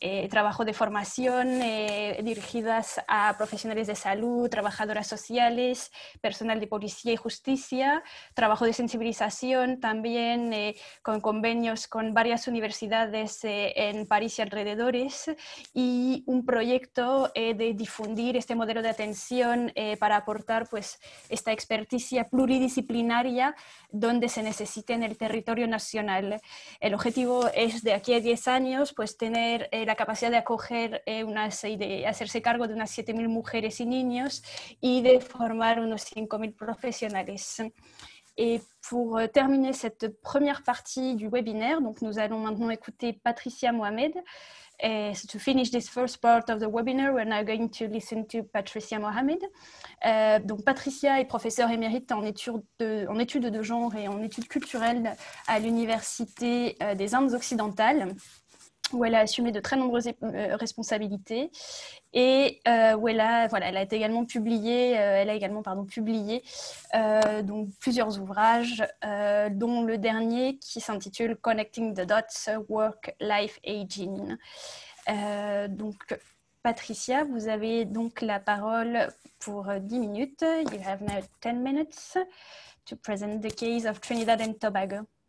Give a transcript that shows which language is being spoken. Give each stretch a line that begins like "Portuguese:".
Spanish: trabajo de formación dirigidas a profesionales de salud, trabajadoras sociales, personal de policía y justicia, trabajo de sensibilización también con convenios con varias universidades en París y alrededores y un proyecto de difundir este modelo de atención para aportar pues esta experticia pluridisciplinaria donde se necesite en el territorio nacional. El objetivo es de aquí a 10 años pues tener la capacidad de acoger y de hacerse cargo de unas 7.000 mujeres y niños y de formar unos 5.000 profesionales.
French: Et pour terminer cette première partie du webinaire, donc nous allons maintenant écouter Patricia Mohamed.
English: So to finish this first part of the webinar, we're now going to listen to Patricia Mohamed.
French: Donc Patricia est professeure émérite en études de genre et en études culturelles à l'Université des Indes occidentales, où elle a assumé de très nombreuses responsabilités et où elle a, voilà, elle a été également publié, elle a également, pardon, publié donc plusieurs ouvrages, dont le dernier qui s'intitule Connecting the Dots, Work, Life, Aging. Donc, Patricia, vous avez donc la parole pour 10 minutes.
English: You have now 10 minutes to present the case of Trinidad and Tobago.